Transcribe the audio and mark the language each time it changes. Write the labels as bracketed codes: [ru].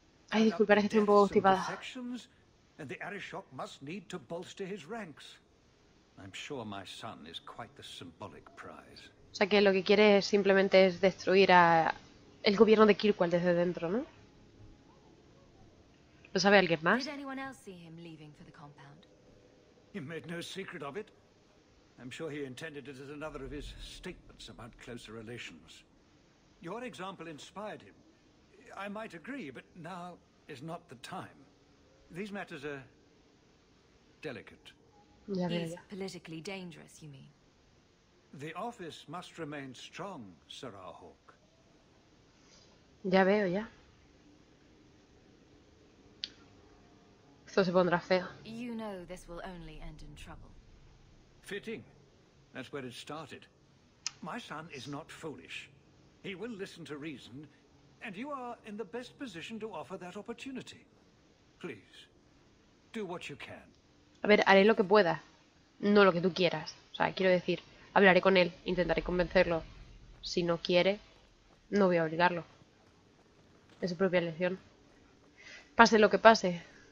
[es] Ay, disculpa, es que estoy un poco constipada. [en] And the Arishok must need to bolster his ranks. I'm sure my son is quite the symbolic prize. O sea que lo que quiere simplemente es destruir a el gobierno de Kirkwall desde dentro, ¿no? ¿Lo sabe alguien más? Did anyone else see him leaving for the compound? He made no secret of it. I'm sure he intended it as another of his statements about closer relations. Your example inspired him. I might agree, but now is not the time. These matters are delicate. He's politically dangerous, you mean? The office must remain strong, Sir Arhawk. [es] Ya veo, ya. Esto se pondrá feo. [en] You know this will only end in trouble. Fitting. That's where it started. My son is not foolish. He will listen to reason, and you are in the best position to offer that opportunity. Please. [es] A ver, haré lo que pueda, no lo que tú quieras. O sea, quiero decir, hablaré con él, intentaré convencerlo. Si no quiere, no voy a obligarlo. Es su propia elección. Pase lo que pase.